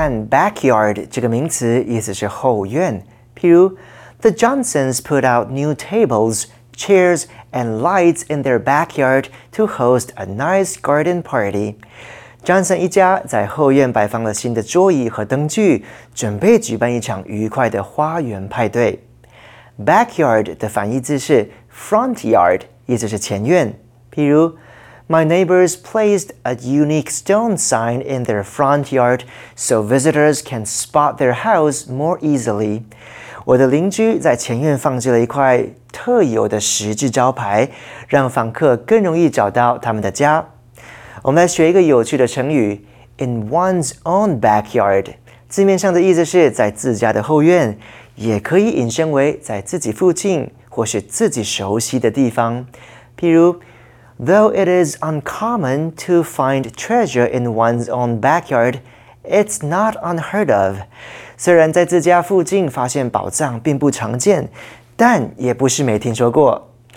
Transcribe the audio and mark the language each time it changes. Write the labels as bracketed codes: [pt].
[zh] Backyard 这个名词意思是后院。譬如, [en] the Johnsons put out new tables chairs, and lights in their backyard to host a nice garden party. [zh] Johnson 一家在后院摆放了新的桌椅和灯具，准备举办一场愉快的花园派对。 Backyard 的反义字是 front yard， 意思是前院。 [en] 譬如 ，My neighbors placed a unique stone sign in their front yard so visitors can spot their house more easily。 [zh] 我的邻居在前院放置了一块特有的十字招牌，让访客更容易找到他们的家。我们来学一个有趣的成语 ，in one's own backyard。字面上的意思是在自家的后院，也可以引申为在自己附近或是自己熟悉的地方。 [en] 譬如 ，Though it is uncommon to find treasure in one's own backyard, it's not unheard of。 [zh] 虽然在自家附近发现宝藏并不常见，但也不是没听说过。